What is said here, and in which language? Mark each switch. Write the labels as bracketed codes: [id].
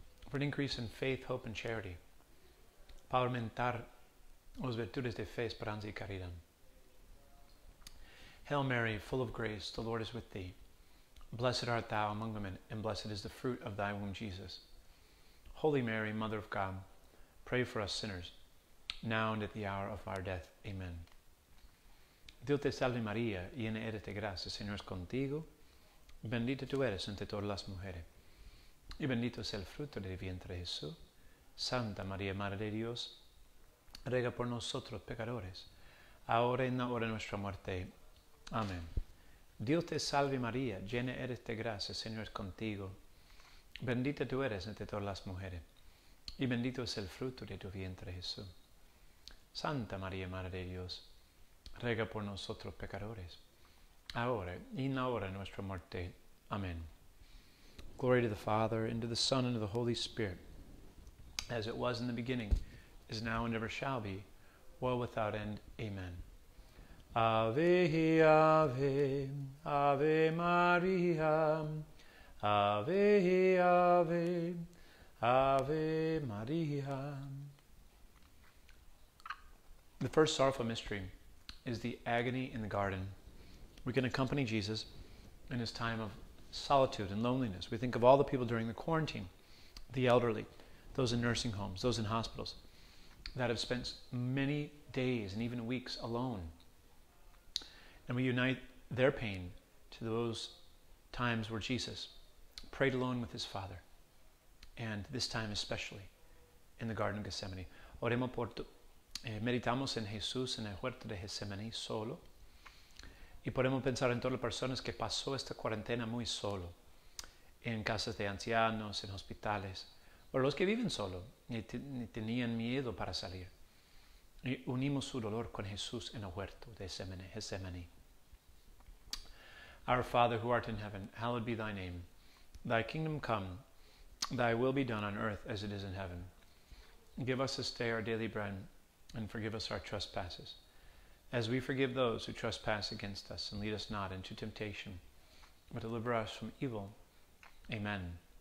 [en] For an increase in faith, hope, and charity, [es] para aumentar las virtudes de fe, esperanza y caridad. [en] Hail Mary, full of grace, the Lord is with thee. Blessed art thou among women, and blessed is the fruit of thy womb, Jesus. Holy Mary, Mother of God, pray for us sinners, now and at the hour of our death. Amen. [es] Dios te salve María, llena eres de gracia, Señor es contigo. Bendita tú eres entre todas las mujeres, y bendito es el fruto de tu vientre, Jesús. Santa María, Madre de Dios, ruega por nosotros, pecadores, ahora y en la hora de nuestra muerte. Amén. Dios te salve María, llena eres de gracia, Señor es contigo. Bendita tú eres entre todas las mujeres, y bendito es el fruto de tu vientre, Jesús. Santa María, Madre de Dios, ruega por nosotros pecadores, ahora y en la hora de nuestra muerte. Amén. [en] Glory to the Father, and to the Son, and to the Holy Spirit, as it was in the beginning, is now, and ever shall be, world without end. Amen. [la] Ave, Ave, Ave Maria, Ave, Ave, Ave Maria. [en] The first sorrowful mystery is the agony in the garden. We can accompany Jesus in his time of solitude and loneliness. We think of all the people during the quarantine, the elderly, those in nursing homes, those in hospitals, that have spent many days and even weeks alone. And we unite their pain to those times where Jesus prayed alone with his Father, and this time especially in the Garden of Gethsemane. [es] Oremos por tu, meditamos en Jesús en el huerto de Gethsemane solo, y podemos pensar en todas las personas que pasó esta cuarentena muy solo. en casas de ancianos, en hospitales, o los que viven solo y tenían miedo para salir. Y unimos su dolor con Jesús en el huerto de Getsemaní. [en] Our Father who art in heaven, hallowed be thy name. Thy kingdom come, thy will be done on earth as it is in heaven. Give us this day our daily bread, and forgive us our trespasses, as we forgive those who trespass against us, and lead us not into temptation, but deliver us from evil. Amen.